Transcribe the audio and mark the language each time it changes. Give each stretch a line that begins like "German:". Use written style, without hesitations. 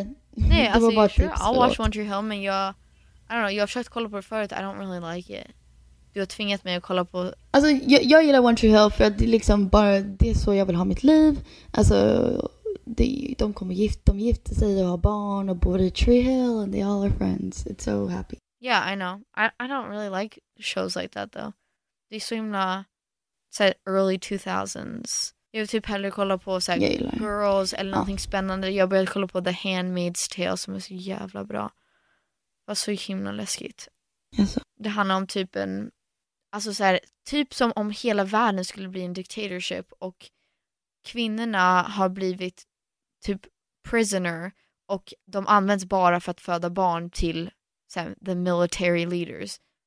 Swedish: Okay. Nej, alltså, bara
English: sure, I'll watch One Tree Hill,
Swedish: men jag
English: I don't know,
Swedish: jag har försökt kolla på det förut.
English: I don't really like it.
Swedish: Du har tvingat mig att kolla på... Alltså, jag gillar One Tree Hill för att det är liksom bara det är så jag vill ha mitt liv. Alltså, de kommer gifta, de gifter sig och har barn och bor i Tree Hill
English: and they all are friends. It's so happy. Yeah, I know. I don't really like shows like that though. De swimna said early 2000s.
Swedish: Jag vill typ hellre kolla på så Girls eller någonting spännande. Jag började kolla på The Handmaid's Tale som är så jävla bra. Det var så himla läskigt. Yes. Det handlar om typ en, alltså så här, typ som om hela världen skulle bli en dictatorship och kvinnorna har blivit typ prisoner och de används bara för att föda barn till så här,
English: the military leaders.